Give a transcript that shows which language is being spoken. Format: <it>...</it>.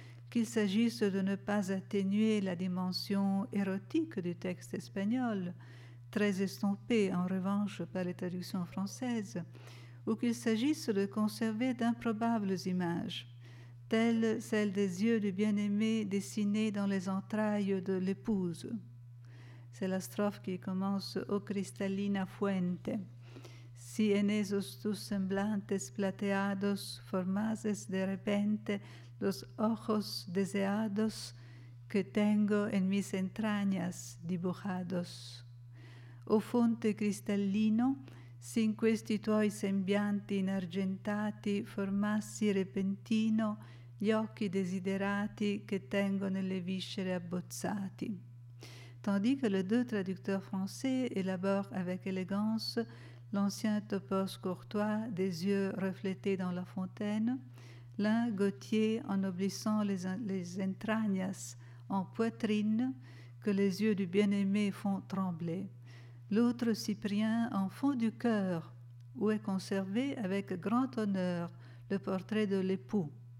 <fr>qu'il s'agisse de ne pas atténuer la dimension érotique du texte espagnol, très estompée en revanche par les traductions françaises, ou qu'il s'agisse de conserver d'improbables images, telles celles des yeux du bien-aimé dessinés dans les entrailles de l'épouse. C'est la strophe qui commence «</fr> <es>O cristallina fuente ». Si en esos tus semblantes plateados formases de repente los ojos deseados que tengo en mis entrañas dibujados.</es> <it>O fonte cristallino, si in questi tuoi sembianti inargentati formassi repentino gli occhi desiderati che tengo nelle viscere abbozzati.</it> <fr>Tandis que les deux traducteurs français élaborent avec élégance l'ancien topos courtois des yeux reflétés dans la fontaine, l'un Gautier ennoblissant les entrañas en poitrine que les yeux du bien-aimé font trembler, l'autre Cyprien en fond du cœur où est conservé avec grand honneur le portrait de l'époux.</fr>